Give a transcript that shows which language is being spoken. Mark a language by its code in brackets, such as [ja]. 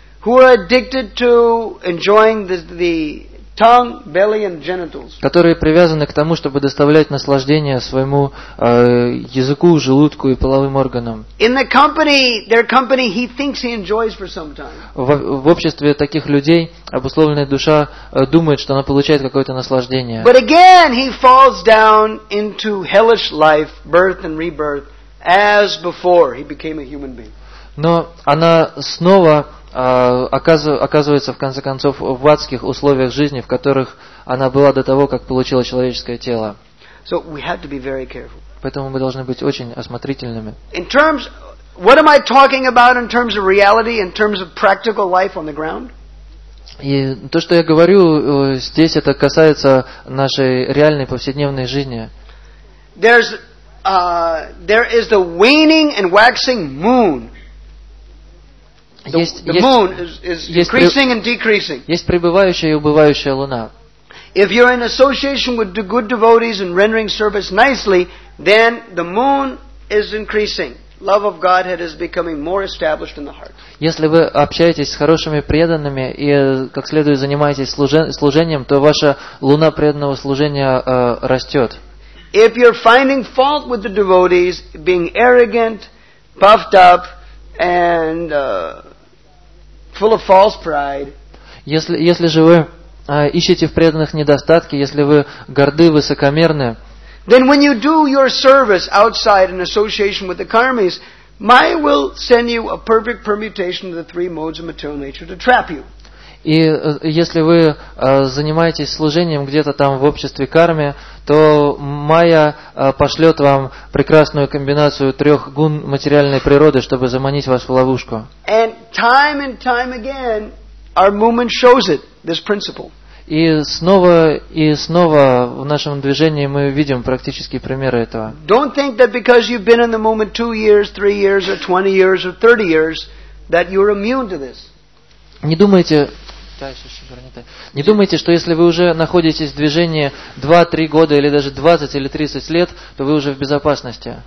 [en] who are addicted to enjoying the tongue, belly, and genitals, [ru] которые привязаны к тому, чтобы доставлять наслаждение своему языку, желудку и половым органам. [en] In the company, their company, he thinks he enjoys for some time. [ru] В обществе таких людей обусловленная душа думает, что она получает какое-то наслаждение. [en] But again, he falls down into hellish life, birth and rebirth, as before he became a human being. [ru] Но она снова оказывается в конце концов в адских условиях жизни, в которых она была до того, как получила человеческое тело. [en] So we have to be very careful. [ru] Поэтому мы должны быть очень осмотрительными. [en] In terms, what am I talking about in terms of reality, in terms of practical life on the ground? [ru] И то, что я говорю здесь, это касается нашей реальной повседневной жизни. [en] There is the waning and waxing moon. [ru] Есть пребывающая и убывающая луна. [en] If you're in association with good devotees and rendering service nicely, then the moon is increasing. Love of Godhead is becoming more established in the heart. [ru] Если вы общаетесь с хорошими преданными и как следует занимаетесь служением, то ваша луна преданного служения растет. [en] If you're finding fault with the devotees being arrogant, puffed up, and full of false pride. [ru] Если же вы ищете в преданных недостатки, если вы горды, высокомерны. [en] Then when you do your service outside in association with the karmis, Maya will send you a perfect permutation of the three modes of material nature to trap you. [ru] И если вы занимаетесь служением где-то там в обществе карме, то Майя пошлет вам прекрасную комбинацию трех гун материальной природы, чтобы заманить вас в ловушку. [en] And time again, our movement shows it, this principle. [ru] И снова в нашем движении мы видим практические примеры этого. [en] Don't think that because you've been in the movement 2 years, 3 years, or 20 years, or 30 years, that you're immune to this. [ru] Не думайте, что если вы уже находитесь в движении 2-3 года или даже 20 или 30 лет, то вы уже в безопасности.